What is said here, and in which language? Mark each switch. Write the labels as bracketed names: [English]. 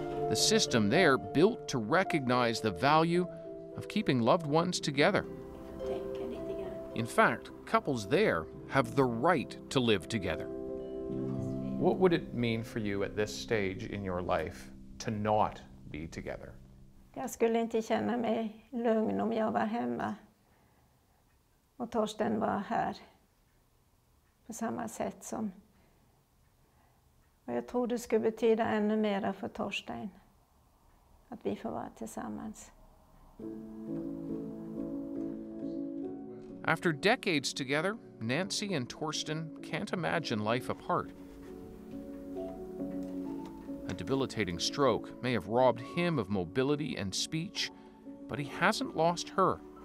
[English] The system there built to recognize the value of keeping loved ones together. In fact, couples there have the right to live together. What would it mean for you at this stage in your life to not be together? [Swedish] Jag skulle inte känna mig lugn om jag var hemma och Torsten var här. På samma sätt som... Och jag tror det skulle betyda ännu mer för Torsten. Att vi får vara tillsammans. [English] After decades together, Nancy and Torsten can't imagine life apart. A debilitating stroke may have robbed him of mobility and speech, but he hasn't lost her.